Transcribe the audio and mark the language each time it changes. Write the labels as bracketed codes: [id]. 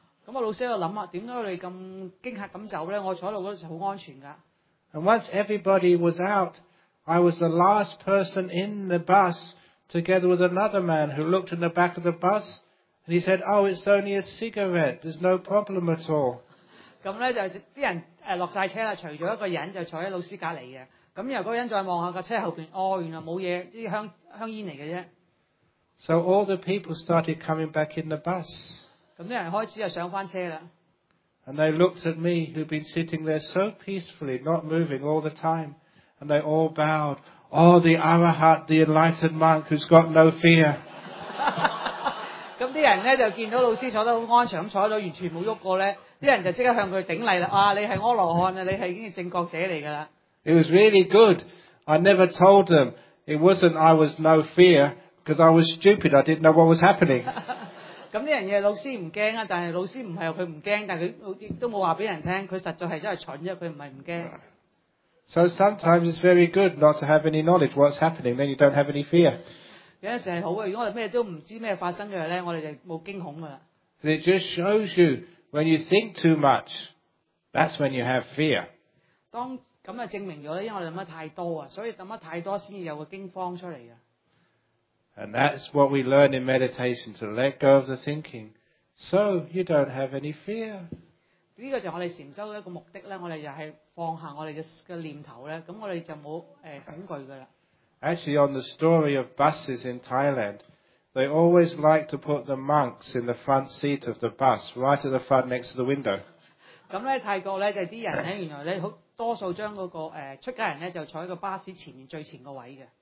[yue] 咁啊，老師喺度諗啊，點解你咁驚嚇咁走咧？我坐喺度嗰陣時好安全噶。 [en] And once everybody was out, I was the last person in the bus together with another man who looked in the back of the bus and he said, oh, it's only a cigarette. There's no problem at all. [yue] 咁呢就啲人落晒車啦，除咗一個人就坐喺老師隔離嘅。咁然後嗰個人再望下個車後面，哦，原來冇嘢，啲香煙嚟嘅啫。 [en] So all the people started coming back in the bus. [yue] 咁啲人開始就上返車啦。 [en] And they looked at me, who'd been sitting there so peacefully, not moving all the time. And they all bowed. Oh, the Arahat, the enlightened monk who's got no fear. [yue] 咁啲人咧就見到老師坐得好安詳咁坐咗，完全冇喐過咧，啲人就即刻向佢頂禮啦。啊，你係阿羅漢啊，你係已經正覺者嚟㗎啦。 [en] It was really good. I never told them it wasn't I was no fear. because I was stupid. I didn't know what was happening. [yue] 咁呢樣嘢老師唔驚啊，但係老師唔係佢唔驚，但係佢亦都冇話俾人聽，佢實在係真係蠢啫，佢唔係唔驚。 [en] So sometimes it's very good not to have any knowledge what's happening, then you don't have any fear. [yue] 有陣時係好嘅，如果我哋咩都唔知咩發生嘅咧，我哋就冇驚恐噶啦。 [en] And it just shows you when you think too much, that's when you have fear. [yue] 當咁啊證明咗咧，因為我哋諗得太多啊，所以諗得太多先至有個驚慌出嚟嘅。 [en] And that's what we learn in meditation, to let go of the thinking, so you don't have any fear. [yue] 呢個就我哋禅修一個目的咧，我哋就係放下我哋嘅念頭咧，咁我哋就冇恐懼噶啦。 [en] Actually, on the story of buses in Thailand, they always like to put the monks in the front seat of the bus, right at the front next to the window. [yue] 咁咧，泰國咧就啲人咧，原來咧好多數將嗰個出家人咧就坐喺個巴士前面最前個位嘅。